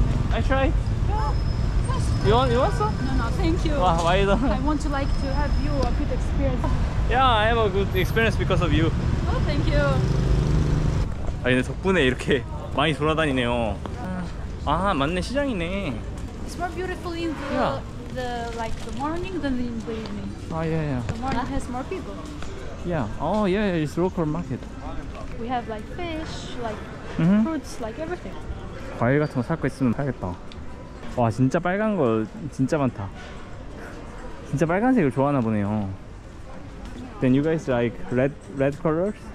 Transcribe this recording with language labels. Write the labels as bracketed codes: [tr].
[en] I tried. You want some? No, thank you. Why? I want to have a good experience. Yeah, I have a good experience because of you. Oh, thank you. [ko] 아, 근데 덕분에 이렇게 많이 돌아다니네요. 아, 맞네. 시장이네. [en] It's more beautiful in the, yeah. the morning than in the evening. Oh, yeah. The morning has more people. Yeah. Oh, yeah, it's local market. We have like fish, like mm-hmm. fruits, like everything. [ko] 과일 같은 거 살 거 있으면 사야겠다. 와, 진짜 빨간 거 진짜 많다. 진짜 빨간색을 좋아하나 보네요. [en] Then you guys like red colors?